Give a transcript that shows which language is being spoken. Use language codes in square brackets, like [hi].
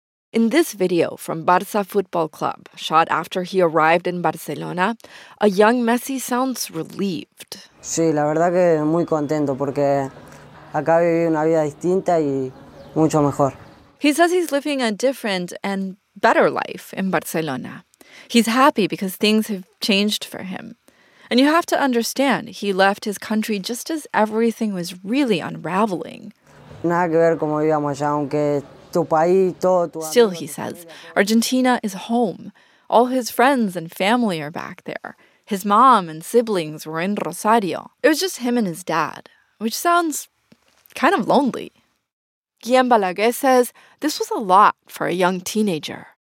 [en] In this video from Barça Football Club, shot after he arrived in Barcelona, a young Messi sounds relieved. [es] Sí, la verdad que muy contento porque acá viví una vida distinta y mucho mejor. [en] He says he's living a different and better life in Barcelona. He's happy because things have changed for him. And you have to understand, he left his country just as everything was really unraveling. [es] Nada que ver como vivíamos allá, aunque tu país, todo tu... [en] Still, he says, Argentina is home. All his friends and family are back there. His mom and siblings were in Rosario. It was just him and his dad, which sounds kind of lonely. Guillem Balaguer says this was a lot for a young teenager.